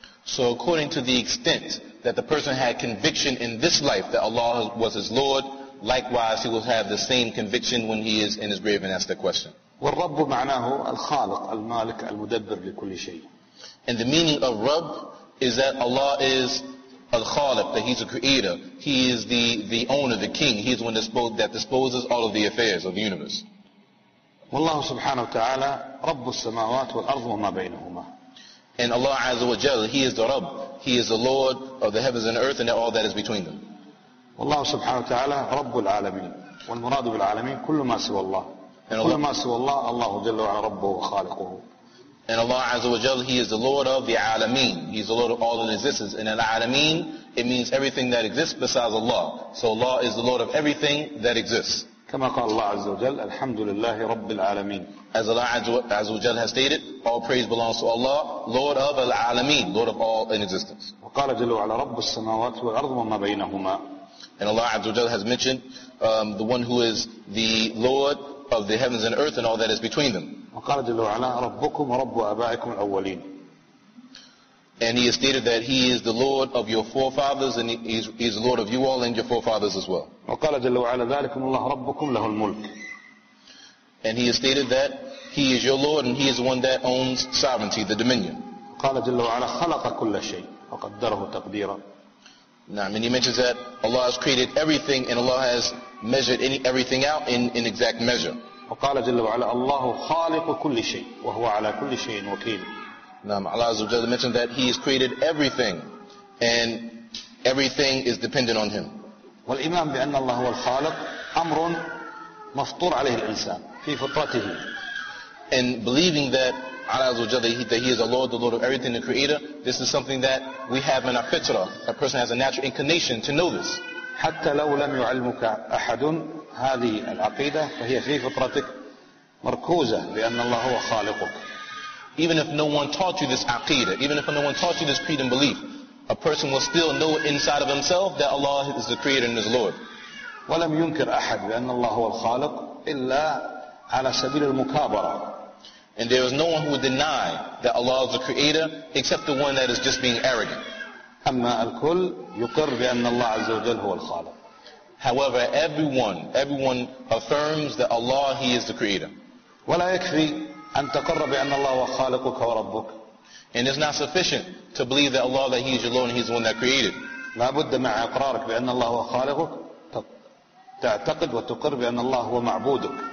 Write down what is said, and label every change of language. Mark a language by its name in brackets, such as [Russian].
[English] So according to the extent that the person had conviction in this life that Allah was his Lord, likewise he will have the same conviction when he is in his grave and asked the question. [Arabic] والرب معناه الخالق المالك المدبر لكل شيء. [English] And the meaning of رب is that Allah is الخالق, that he's a creator, he is the owner, the king, he's the one that disposes all of the affairs of the universe. [Arabic] والله سبحانه وتعالى رب السماوات والأرض وما بينهما. [English] And Allah Azza wa Jalla, He is the Rabb. He is the Lord of the heavens and earth and all that is between them. [Arabic] والله سبحانه وتعالى رب العالمين. والمراد بالعالمين كل ما سوى الله. كل ما سوى الله الله جل وعلا ربه وخالقه. [English] And Allah Azza wa Jalla, He is the Lord of the Alameen. He is the Lord of all that exists. And Al-Alameen, it means everything that exists besides Allah. So Allah is the Lord of everything that exists. [Arabic] كما قال الله عز وجل الحمد لله رب العالمين. [English] As Allah عز وجل has stated, all praise belongs to Allah, Lord of the Alameen, Lord of all in existence. [Arabic] وقال جل وعلا رب السماوات والأرض وما بينهما. [English] And Allah عز وجل has mentioned the one who is the Lord of the heavens and earth and all that is between them. [Arabic] وقال جل وعلا ربكم ورب آبائكم الأولين. [English] And he has stated that he is the Lord of your forefathers and he is the Lord of you all and your forefathers as well. [Arabic] وقال جل وعلا ذلكم الله ربكم له الملك. [English] And he has stated that he is your Lord and he is the one that owns sovereignty, the dominion. [Arabic] قال جل وعلا خلق كل شيء وقدره تقديرا. [English] نعم, and he mentions that Allah has created everything and Allah has measured everything out in exact measure. [Arabic] وقال جل وعلا الله خالق كل شيء وهو على كل شيء وكيل. [English] نعم, Allah Azza wa Jalla mentioned that He has created everything and everything is dependent on Him. [Arabic] والإيمان بأن الله هو الخالق أمر مفطور عليه الإنسان في فطرته. [English] And believing that Allah Azza wa Jalla, that He is the Lord of everything, the Creator. This is something that we have in our fitrah. A person has a natural inclination to know this. [Arabic] حتى لو لم يعلمك أحد هذه العقيدة فهي في فطرتك مركوزة لأن الله هو خالقك. [English] Even if no one taught you this aqidah, even if no one taught you this creed and belief, a person will still know inside of himself that Allah is the Creator and His Lord. [Arabic] ولم ينكر أحد بأن الله هو الخالق إلا على سبيل المكابرة. [English] And there is no one who would deny that Allah is the Creator except the one that is just being arrogant. [Arabic] أما الكل يقر بأن الله عز وجل هو الخالق. [English] However, everyone affirms that Allah, He is the Creator. [Arabic] ولا يكفي أن تقر بأن الله هو خالقك وربك. [English] And it's not sufficient to believe that Allah, that He is your Lord and He's the one that created. [Arabic] لا بد مع إقرارك بأن الله هو خالقك تعتقد وتقر بأن الله هو معبودك.